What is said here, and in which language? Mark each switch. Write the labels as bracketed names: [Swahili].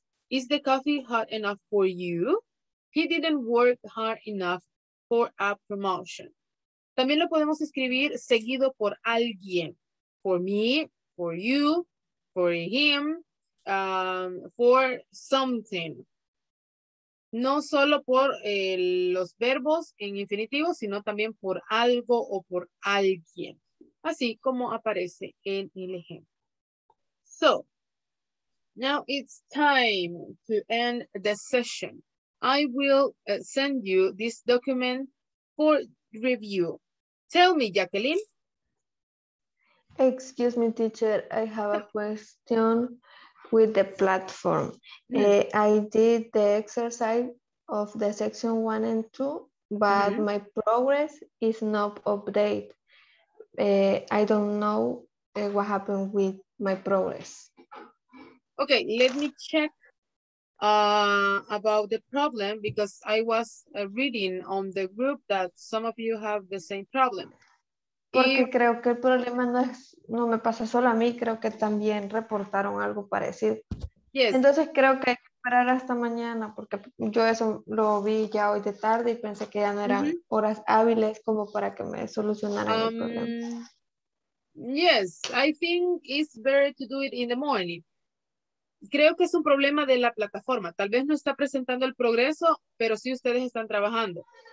[English] Is the coffee hot enough for you? He didn't work hard enough for a promotion. [Spanish] También lo podemos escribir seguido por alguien. [English] For me, for you, for him, for something. [Spanish] No solo por los verbos en infinitivo, sino también por algo o por alguien. Así como aparece en el ejemplo. [English] So, now it's time to end the session. I will send you this document for review. Tell me, Jacqueline. Excuse me, teacher, I have a question with the platform. I did the exercise of the section 1 and 2, but mm-hmm. my progress is not updated. I don't know what happened with my progress. Okay, let me check about the problem, because I was reading on the group that some of you have the same problem. [Spanish] Porque creo que el problema no es, no me pasa solo a mí, creo que también reportaron algo parecido. [English] Yes. [Spanish] Entonces creo que hay que esperar hasta mañana, porque yo eso lo vi ya hoy de tarde y pensé que ya no eran mm-hmm. horas hábiles como para que me solucionaran el problema. [English] Yes, I think it's better to do it in the morning. [Spanish] creo que es un problema de la plataforma. Tal vez no está presentando el progreso, pero sí ustedes están trabajando.